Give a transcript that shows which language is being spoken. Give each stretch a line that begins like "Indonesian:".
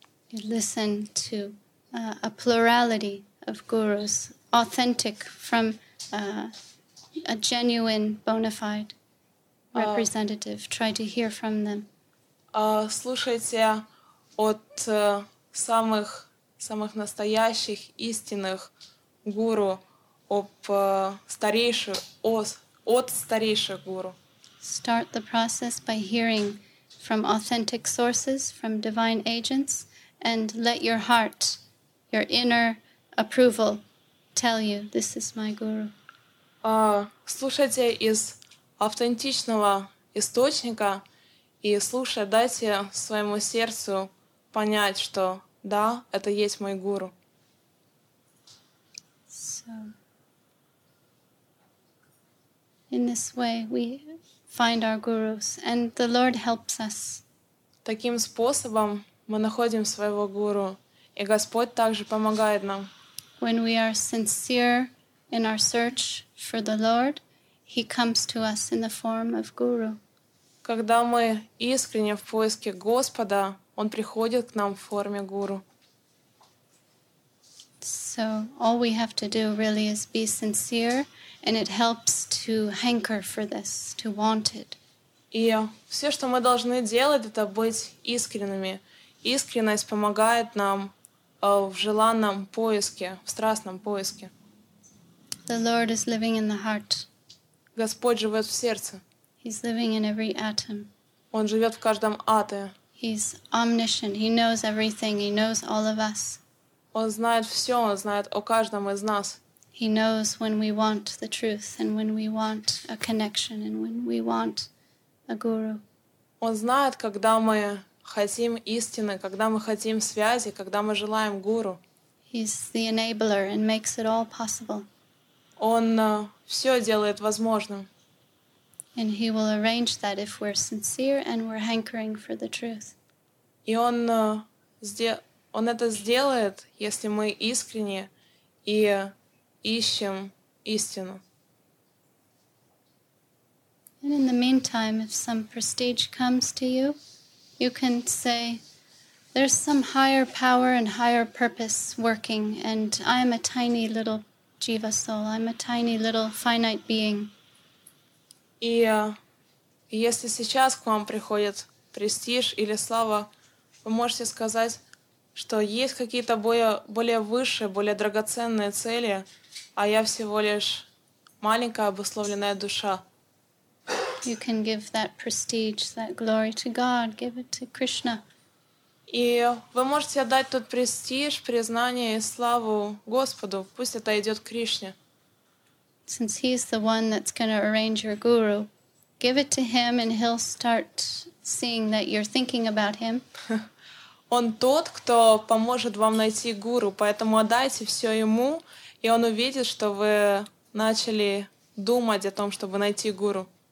English: You listen to a plurality of gurus, authentic from a genuine, bona fide representative. Try to hear from them.
Russian: Слушайте от самых настоящих, истинных гуру, от старейших гуру.
English: Start the process by hearing from authentic sources, from divine agents, and let your heart, your inner approval, tell you, this is my guru.
Russian: Слушайте из автентичного источника и слушайте, дайте своему сердцу понять, что да, это есть мой гуру.
English: So, in this way we find our gurus, and the Lord helps us.
Russian: Таким способом мы находим своего гуру, и Господь также помогает нам.
English: When we are sincere in our search for the Lord, He comes to us in the form of Guru.
Russian: Когда мы искренне в поиске Господа, Он приходит к нам в форме Гуру.
English: So all we have to do really is be sincere, and it helps to hanker for this, to want it.
Russian: И все, что мы должны делать, это быть искренними. Искренность помогает нам в желанном поиске, в страстном поиске.
English: The Lord is living in the heart.
Russian: Господь живет в сердце.
English: He's living in every atom.
Russian: Он живет в каждом атоме.
English: He's omniscient. He knows everything. He knows all of us.
Russian: Он знает все. Он знает о каждом из нас.
English: He knows when we want the truth and when we want a connection and when we want a guru.
Russian: Он знает, когда мы хотим истины, когда мы хотим связи, когда мы желаем гуру.
English: He's the enabler and makes it all possible.
Russian: Он все делает возможным.
English: And he will arrange that if we're sincere and we're hankering for the truth.
Russian: И он это сделает, если мы искренне и ищем истину.
English: And in the meantime, if some prestige comes to you, You can say, there's some higher power and higher purpose working, and I'm a tiny little jiva soul. I'm a tiny little finite being.
Russian: И если сейчас к вам приходит престиж или слава, вы можете сказать, что есть какие-то более высшие, более драгоценные цели, а я всего лишь маленькая обусловленная душа.
English: You can give that prestige, that glory to God, give it to Krishna.
Russian: И вы можете отдать тот престиж, признание и славу Господу, пусть это идет к Кришне.
English: Since he's the one that's going to arrange your guru, give it to him and he'll start seeing that you're thinking about him.
Russian: Он тот, кто поможет вам найти гуру, поэтому отдайте все ему, и он увидит, что вы начали думать о том, чтобы найти гуру.